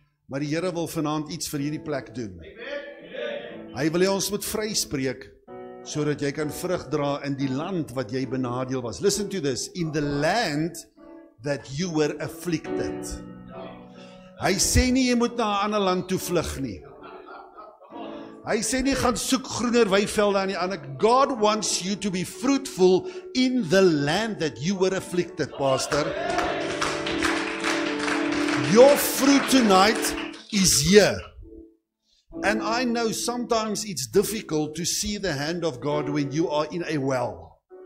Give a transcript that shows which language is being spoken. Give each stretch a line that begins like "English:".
Afrikaans: Maar die Here wil vanaand iets vir hierdie plek doen. Hy wil ons met vry spreek sodat jy kan vrug dra in die land wat jy benadeel was.
English: Listen to this, in the land that you were afflicted.
Afrikaans: Hy sê nie jy moet na 'n ander land toe vlug nie. Hy sê nie gaan soek groener weivelde aan die ander.
English: God wants you to be fruitful in the land that you were afflicted, pastor. Your fruit tonight is here. And I know sometimes it's difficult to see the hand of God when you are in a well.